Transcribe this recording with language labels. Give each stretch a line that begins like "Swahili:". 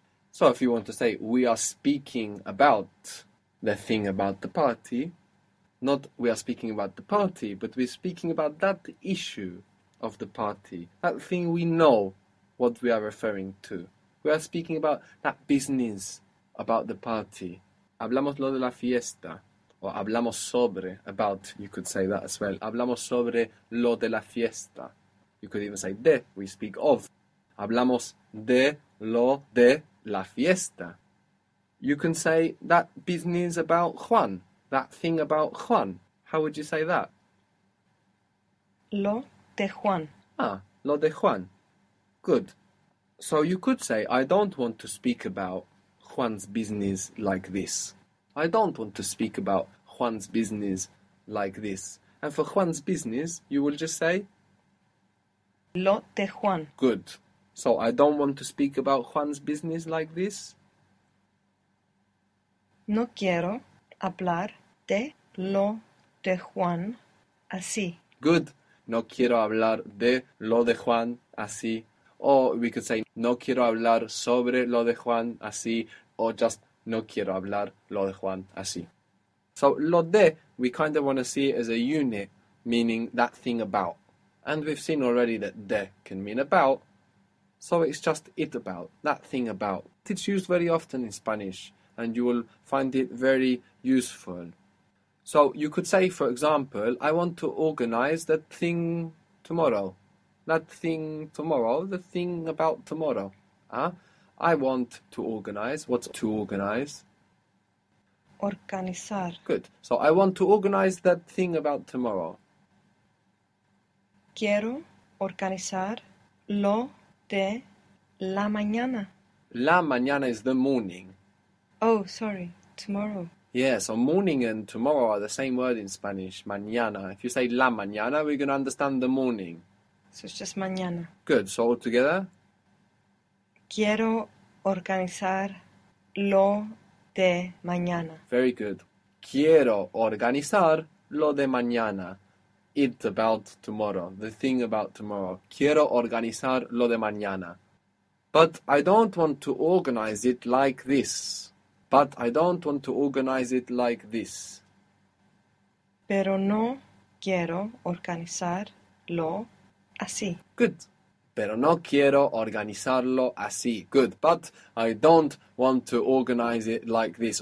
English: So if you want to say we are speaking about the thing about the party, not we are speaking about the party, but we're speaking about that issue of the party. That thing we know what we are referring to. We are speaking about that business, about the party.
Spanish: Hablamos lo de la fiesta,
English: or
Spanish: hablamos sobre,
English: about, you could say that as well.
Spanish: Hablamos sobre lo de la fiesta.
English: You could even say de, we speak of.
Spanish: Hablamos de lo de la fiesta.
English: You can say that business about Juan, that thing about Juan. How would you say that?
Spanish: Lo de Juan. Ah, lo de Juan. Good.
English: So you could say, I don't want to speak about Juan's business like this. I don't want to speak about Juan's business like this. And for Juan's business, you will just say?
Spanish: Lo de Juan.
English: Good. So I don't want to speak about Juan's business like this.
Spanish: No quiero hablar de lo de Juan así.
English: Good.
Spanish: No quiero hablar de lo de Juan así.
English: Or we could say,
Spanish: no quiero hablar sobre lo de Juan así, or just, no quiero hablar lo de Juan así.
English: So,
Spanish: lo de,
English: we kind of want to see it as a unit, meaning that thing about. And we've seen already that de can mean about, so it's just it about, that thing about. It's used very often in Spanish, and you will find it very useful. So you could say, for example, I want to organize that thing tomorrow. That thing tomorrow, the thing about tomorrow. I want to organize. What's to organize?
Spanish: Organizar.
English: Good. So I want to organize that thing about tomorrow.
Spanish: Quiero organizar lo de la mañana. La mañana
English: is the morning. Oh, sorry. Tomorrow. Yeah, so morning and tomorrow are the same word in Spanish, mañana. If you say
Spanish: la mañana,
English: we're going to understand the morning. So it's just mañana. Good. So all together?
Spanish: Quiero organizar lo de mañana.
English: Very good.
Spanish: Quiero organizar lo de mañana.
English: It about tomorrow. The thing about tomorrow.
Spanish: Quiero organizar lo de mañana.
English: But I don't want to organize it like this. But I don't want to organize it like this.
Spanish: Pero no quiero organizarlo así.
English: Good.
Spanish: Pero no quiero organizarlo así.
English: Good. But I don't want to organize it like this.